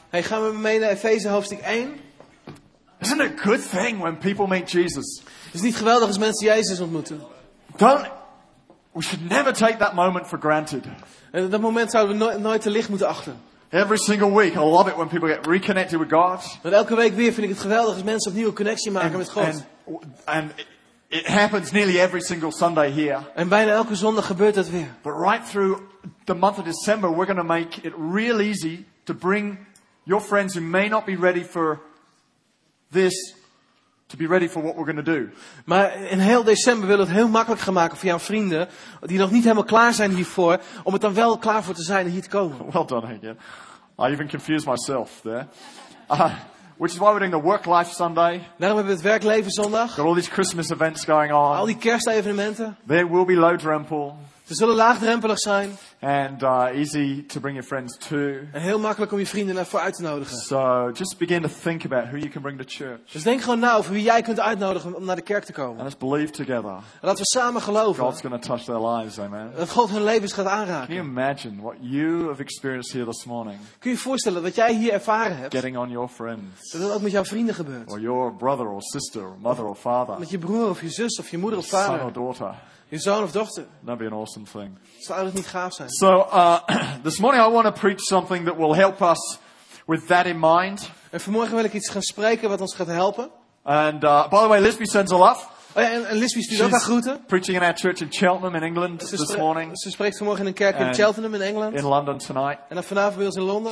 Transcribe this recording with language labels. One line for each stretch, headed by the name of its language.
Dutch: Hey, gaan we mee naar Efeze hoofdstuk 1?
English: Isn't it a good thing when people meet Jesus?
Dutch: Is het niet geweldig als mensen Jezus ontmoeten?
English: We should never take that moment for granted.
Dutch: En dat moment zouden we nooit te licht moeten achten.
English: Every single week, I love it when people get reconnected with God.
Dutch: Want elke week weer vind ik het geweldig als mensen opnieuw een connectie maken met God.
English: And it happens nearly every single Sunday here.
Dutch: En bijna elke zondag gebeurt dat weer.
English: But right through the month of December, we're going to make it real easy to bring your friends who may not be ready for this to be ready for what we're going to do.
Dutch: Maar in heel december willen we het heel makkelijk gaan maken voor jouw vrienden die nog niet helemaal klaar zijn hiervoor, om het dan wel klaar voor te zijn en hier te komen.
English: Well done again. I even confused myself there. Which is why we're doing the Work Life Sunday.
Dutch: Daarom hebben we het Werkleven Zondag.
English: Got all these Christmas events going on.
Dutch: Al die kerstevenementen.
English: There will be low drempel.
Dutch: Ze zullen laagdrempelig zijn.
English: And easy to bring your friends to.
Dutch: En heel makkelijk om je vrienden ervoor uit te nodigen.
English: So just begin to think about who you can bring to church.
Dutch: Dus denk gewoon na over wie jij kunt uitnodigen om naar de kerk te komen.
English: And let's believe together.
Dutch: En laten we samen geloven.
English: God's going to touch their lives, amen.
Dutch: Dat God hun levens gaat aanraken.
English: Can you imagine what you have experienced here this morning?
Dutch: Kun je voorstellen wat jij hier ervaren hebt?
English: Getting on your friends.
Dutch: Dat het ook met jouw vrienden gebeurt.
English: Or your brother or sister or mother or father.
Dutch: Met je broer of je zus of je moeder of vader.
English: Son or daughter.
Dutch: Je zoon of dochter.
English: That'd be an awesome thing.
Dutch: Zou dat niet gaaf zijn?
English: So, this morning I want to preach something that will help us with that in mind.
Dutch: En vanmorgen wil ik iets gaan spreken wat ons gaat helpen.
English: And by the way, Lisby sends a love.
Dutch: Oh ja, en Lisby stuurt ook haar groeten.
English: Preaching in our church in Cheltenham in England this morning.
Dutch: Ze spreekt vanmorgen in een kerk in Cheltenham in Engeland.
English: In London tonight.
Dutch: En dan vanavond bij ons in Londen.